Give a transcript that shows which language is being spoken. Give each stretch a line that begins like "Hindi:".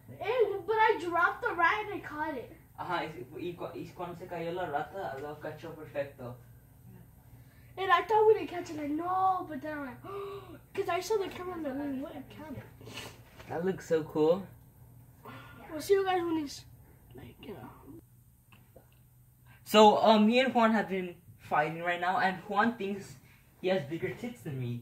English: But I dropped the rat and I caught it.
Spanish: Ajá, y cuando se cayó la rata, lo cachó perfecto.
English: And I thought we didn't catch it, like, no, but then I'm like, because I saw the camera and I'm like, what a camera. That looks so cool. We'll see you guys when he's, like, you know. So, me and Juan have been fighting right now, and Juan thinks he has bigger tits than me.